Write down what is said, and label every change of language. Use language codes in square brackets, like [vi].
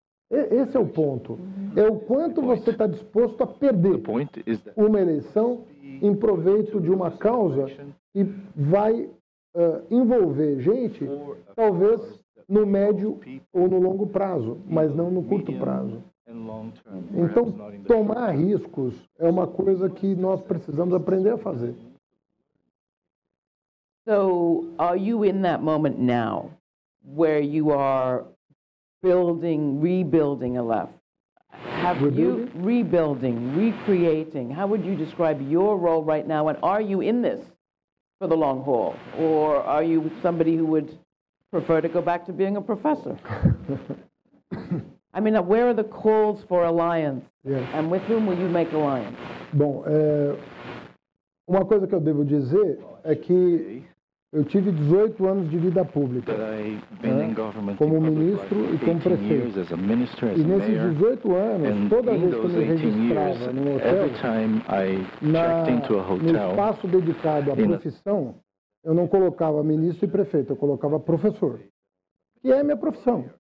[pt] Esse é o ponto. É o quanto você está disposto a perder uma eleição em proveito de uma causa que vai envolver gente, talvez, no médio ou no longo prazo, mas não no curto prazo. Então, tomar riscos é uma coisa que nós precisamos aprender a fazer. [en] So, are you in that moment now where you are building, rebuilding a left? Have you rebuilding, recreating? How would you describe your role right now? And are you in this for the long haul? Or are you somebody who would prefer to go back to being a professor? I mean, where are the calls for alliance? Yes. And with whom will you make alliance? [pt] Bom, uma coisa que eu devo dizer é que eu tive 18 anos de vida pública, como ministro e como prefeito. E nesses 18 anos, toda vez que eu me registrava num hotel, no espaço dedicado à profissão, eu não colocava ministro e prefeito, eu colocava professor, que é a minha profissão.